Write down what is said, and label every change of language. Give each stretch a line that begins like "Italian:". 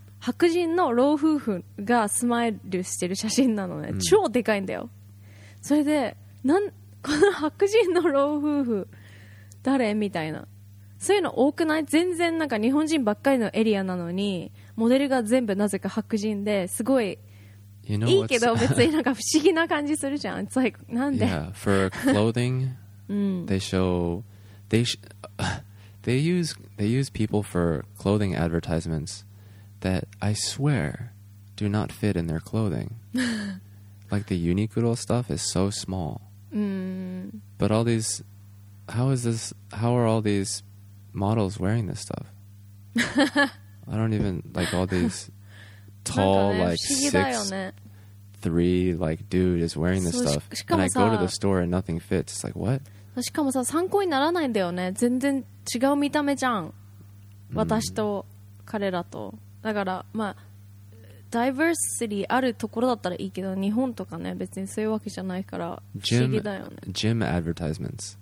Japanese: 白人の老夫婦がスマイルしてる写真なのね、うん、超でかいんだよ。それでなんこの白人の老夫婦誰みたいな、そういうの多くない？全然なんか日本人ばっかりのエリアなのにモデルが全部なぜか白人で、すごい
English: you know
Japanese: いいけど別になんか不思議な感じするじゃん。
English: It's like,
Japanese: なんで
English: yeah, for clothing they show they use people for clothing advertisements that I swear do not fit in their clothing. Like the Uniqlo stuff is so small. But all these, how are all these models wearing this stuff? I don't even like all these tall, like 6'3", like dude is wearing this stuff. And I go to the store and nothing fits. It's like, what?
Japanese: しかもさ参考にならないんだよね、全然違う見た目じゃん、私と彼らと。だからまあダイバーシティあるところだったらいいけど、日本とかね別にそういうわけじゃないから不思議だよね。
English: gym advertisements、